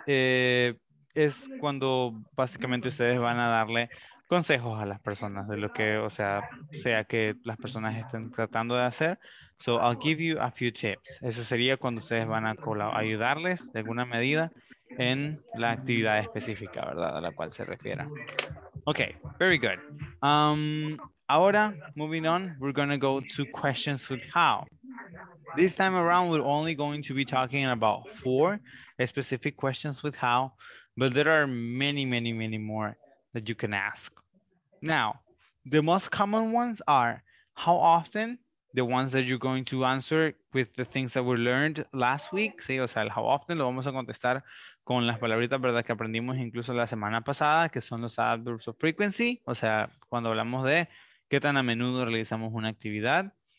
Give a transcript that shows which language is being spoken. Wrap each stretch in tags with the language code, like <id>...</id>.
<es>Es cuando básicamente ustedes van a darle consejos a las personas de lo que, o sea, sea que las personas estén tratando de hacer.</es> <en>So I'll give you a few tips.</en> <es>Eso sería cuando ustedes van a ayudarles de alguna medida en la actividad específica, ¿verdad? A la cual se refiera.</es> <en>Okay, very good. Ahora, moving on, we're going to go to questions with how. This time around, we're only going to be talking about four specific questions with how, but there are many, many, many more that you can ask. Now, the most common ones are how often, the ones that you're going to answer with the things that we learned last week, ¿sí?</en> <es>O sea, el how often lo vamos a contestar con las palabritas, ¿verdad?, que aprendimos incluso la semana pasada, que son los adverbs of frequency, o sea, cuando hablamos de qué tan a menudo realizamos una actividad.</es>